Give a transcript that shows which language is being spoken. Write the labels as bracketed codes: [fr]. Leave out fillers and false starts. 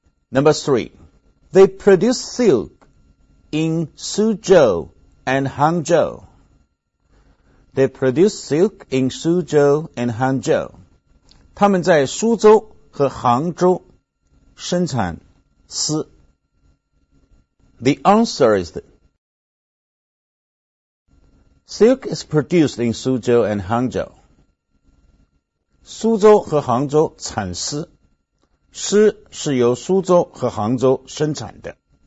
[en] Number three. They produce silk in Suzhou and Hangzhou. They produce silk in Suzhou and Hangzhou. [zh] 他们在苏州和杭州生产丝。 [en] The answer is that silk is produced in Suzhou and Hangzhou. [zh] 苏州和杭州产丝，丝是由苏州和杭州生产的。